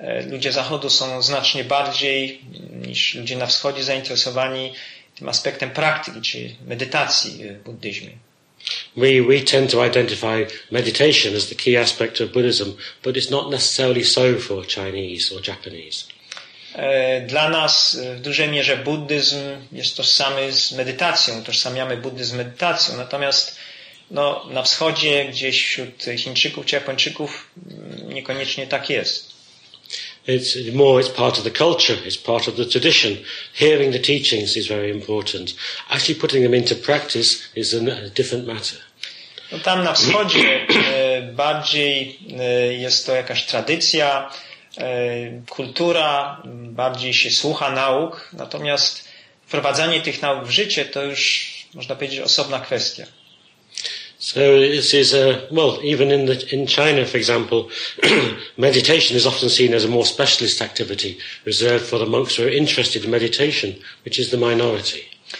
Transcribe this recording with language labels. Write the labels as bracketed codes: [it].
[pl] Ludzie Zachodu są znacznie bardziej niż ludzie na Wschodzie zainteresowani tym aspektem praktyki, czy medytacji w buddyzmie. [en] We tend to identify meditation as the key aspect of Buddhism, but it's not necessarily so for Chinese or Japanese. [pl] Dla nas w dużej mierze buddyzm jest tożsamy z medytacją, utożsamiamy buddyzm z medytacją. Natomiast no, na wschodzie, gdzieś wśród Chińczyków czy Japończyków, niekoniecznie tak jest. [en] It's part of the culture, it's part of the tradition. Hearing the teachings is very important. Actually putting them into practice is a different matter. [pl] No, tam na wschodzie bardziej jest to jakaś tradycja, kultura, bardziej się słucha nauk, natomiast wprowadzanie tych nauk w życie to już, można powiedzieć, osobna kwestia. [en] So this is even in China, for example, meditation is often seen as a more specialist activity reserved for the monks who are interested in meditation, which is the minority.